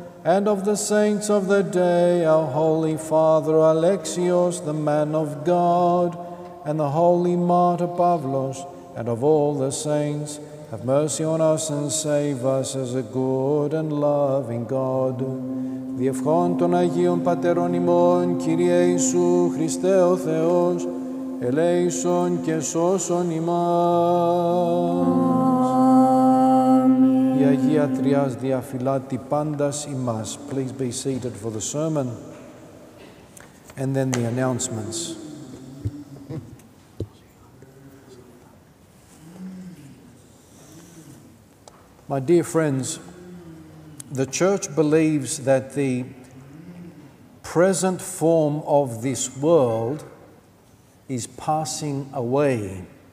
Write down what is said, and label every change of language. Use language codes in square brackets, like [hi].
[en] and of the saints of the day, our holy father Alexios, the man of God, and the holy martyr Pavlos, and of all the saints, have mercy on us and save us as a good and loving God. [el] Διευχών των Αγίων Πατέρων ημών, Κύριε Ιησού Χριστέ ο Θεός, ελέησον και σώσον ημάς. Η Αγία Τριάς διαφυλάτη πάντας ημάς. [en] Please be seated for the sermon and then the announcements. My dear friends, the Church believes that the present form of this world is passing away.